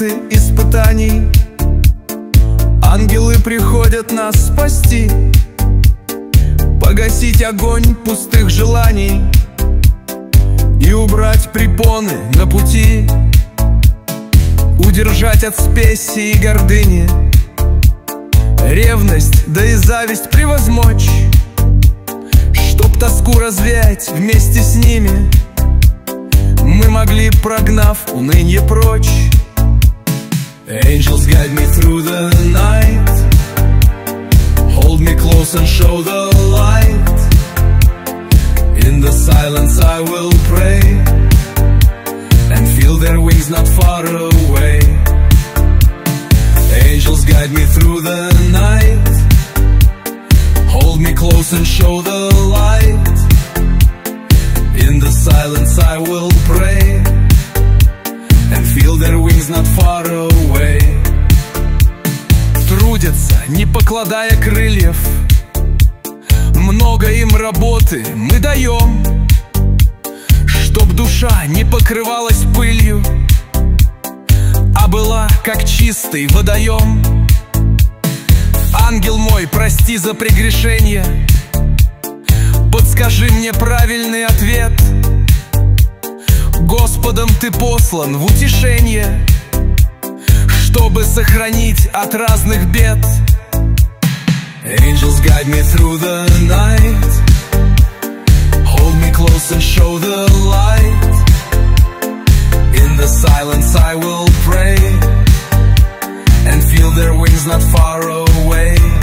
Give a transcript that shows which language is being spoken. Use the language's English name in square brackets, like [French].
[Russian] Испытаний ангелы приходят нас спасти, погасить огонь пустых желаний и убрать препоны на пути, удержать от спеси и гордыни ревность, да и зависть превозмочь, чтоб тоску развеять вместе с ними мы могли, прогнав уныние прочь. [English] Angels guide me through the night, hold me close and show the light. In the silence I will pray and feel their wings not far away. Angels guide me through the night, hold me close and show the light. In the silence I will pray and feel their wings not far away. [Russian] Трудятся, не покладая крыльев, много им работы мы даем, чтоб душа не покрывалась пылью, а была как чистый водоем. Ангел мой, прости за прегрешение, подскажи мне правильный ответ. Господом ты послан в утешение, чтобы сохранить от разных бед. [English] Angels guide me through the night, hold me close and show the light. In the silence I will pray and feel their wings not far away.